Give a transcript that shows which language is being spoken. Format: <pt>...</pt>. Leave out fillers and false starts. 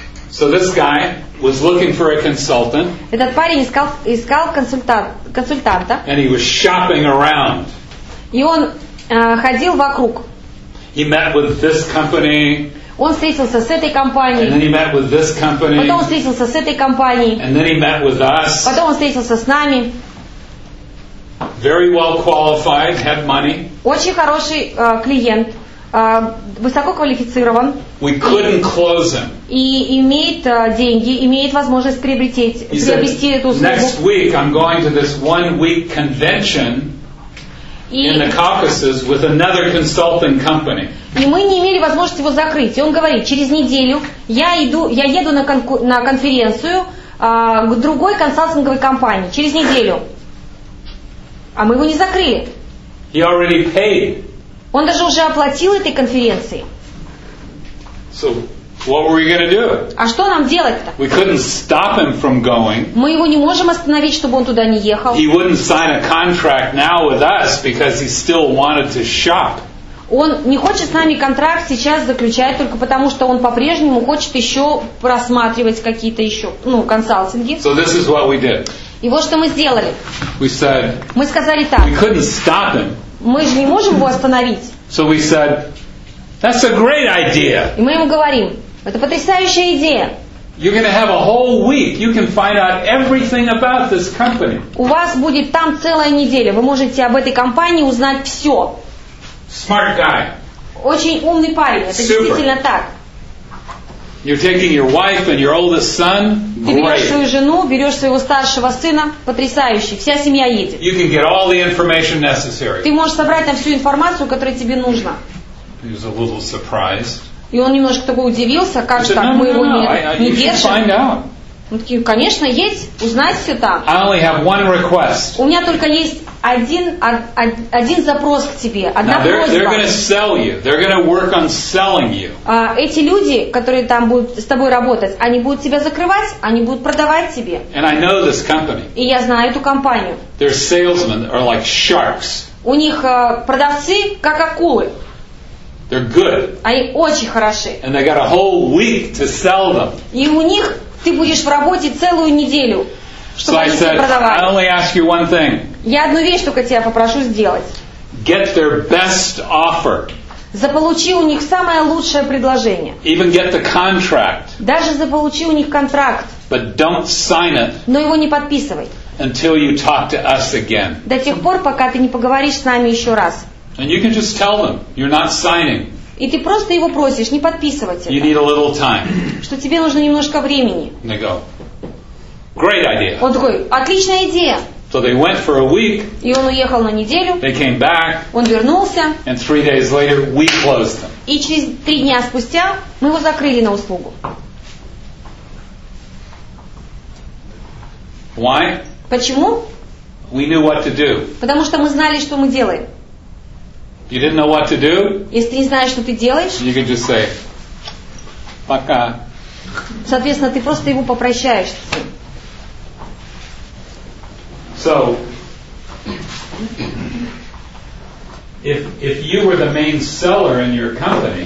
<en>So this guy was looking for a consultant.</en> <ru>Этот парень искал консультанта.</ru> <en>And he was shopping around.</en> <ru>И он ходил вокруг.</ru> <en>He met with this company.</en> <ru>Он встретился с этой компанией.</ru> <en>And then he met with this company.</en> <ru>Потом он встретился с этой компанией.</ru> <en>And then he met with us.</en> <ru>Потом он встретился с нами.</ru> <en>Very well qualified, had money.</en> <ru>Очень хороший клиент. Высоко квалифицирован.</ru> <en>We couldn't close him.</en> <ru>И имеет деньги, имеет возможность приобрести эту услугу.</ru> <en>Next week I'm going to this 1 week convention in the Caucasus with another consulting company.</en> <ru>И мы не имели возможности его закрыть. И он говорит, через неделю я еду на конференцию к другой консалтинговой компании. Через неделю. А мы его не закрыли.</ru> <en>He already paid.</en> <ru>Он даже уже оплатил этой конференции.</ru> <en>So, what were we gonna do?</en> <ru>А что нам делать-то?</ru> <en>We couldn't stop him from going.</en> <ru>Мы его не можем остановить, чтобы он туда не ехал.</ru> <en>He wouldn't sign a contract now with us because he still wanted to shop.</en> <ru>Он не хочет с нами контракт сейчас заключать только потому, что он по-прежнему хочет еще просматривать какие-то еще консалтинги.</ru> <en>So this is what we did.</en> <ru>И вот что мы сделали.</ru> <en>We said.</en> <ru>Мы сказали так.</ru> <en>We couldn't stop him.</en> <ru>Мы же не можем его остановить.</ru> <en>So we said, that's a great idea.</en> <ru>И мы ему говорим, это потрясающая идея.</ru> <en>You're going to have a whole week. You can find out everything about this company.</en> <ru>У вас будет там целая неделя. Вы можете об этой компании узнать все.</ru> <en>Smart guy.</en> <ru>Очень умный парень. Это</ru> <en>Super.</en> <ru>Действительно так.</ru> <en>You're taking your wife and your oldest son.</en> <ru>Ты берешь свою жену, берешь своего старшего сына. Потрясающе. Вся семья едет.</ru> <en>You can get all the information necessary.</en> <ru>Ты можешь собрать там всю информацию, которая тебе нужна.</ru> <en>He was a little surprised.</en> <ru>И он немножко такой удивился, как</ru> <en>said, no,</en> <ru>мы</ru> <en>no,</en> <ru>его</ru> <en>no.</en> <ru>не держим. Он такие, конечно, есть, узнать все там.</ru> <en>I only have one request.</en> <ru>У меня только есть один запрос к тебе, одна</ru> <en>Now,</en> <ru>просьба.</ru> <en>They're going to sell you. They're going to work on selling you.</en> <ru>Эти люди, которые там будут с тобой работать, они будут тебя закрывать, они будут продавать тебе.</ru> <en>And I know this company.</en> <ru>И я знаю эту компанию.</ru> <en>Their salesmen are like sharks.</en> <ru>У них продавцы как акулы.</ru> <en>They're good.</en> <ru>Они очень хороши.</ru> <en>And they got a whole week to sell them.</en> <ru>И у них ты будешь в работе целую неделю, чтобы</ru> <en>so</en> <ru>они тебя продавали.</ru> <en>I only ask you one thing.</en> <ru>Я одну вещь только тебя попрошу сделать.</ru> <en>Get their best offer.</en> <ru>Заполучи у них самое лучшее предложение.</ru> <en>Even get the contract.</en> <ru>Даже заполучи у них контракт.</ru> <en>But don't sign it.</en> <ru>Но его не подписывай.</ru> <en>Until you talk to us again.</en> <ru>До тех пор, пока ты не поговоришь с нами еще раз.</ru> <en>And you can just tell them, you're not signing.</en> <ru>И ты просто его просишь, не подписывать это.</ru> <en>You need a little time.</en> <ru>Что тебе нужно немножко времени.</ru> <en>They go, great idea.</en> <ru>Он такой, отличная идея.</ru> <en>So they went for a week.</en> <ru>И он уехал на неделю.</ru> <en>They came back.</en> <ru>Он вернулся.</ru> <en>And 3 days later, we closed them.</en> <ru>И через 3 дня спустя мы его закрыли на услугу.</ru> <en>Why?</en> <ru>Почему?</ru> <en>We knew what to do.</en> <ru>Потому что мы знали, что мы делаем.</ru> <en>You didn't know what to do?</en> <ru>Если ты не знаешь, что ты делаешь,</ru> <en>you can just say,</en> <ru>пока. Соответственно, ты просто его попрощаешься.</ru> <en>So, if you were the main seller in your company,</en>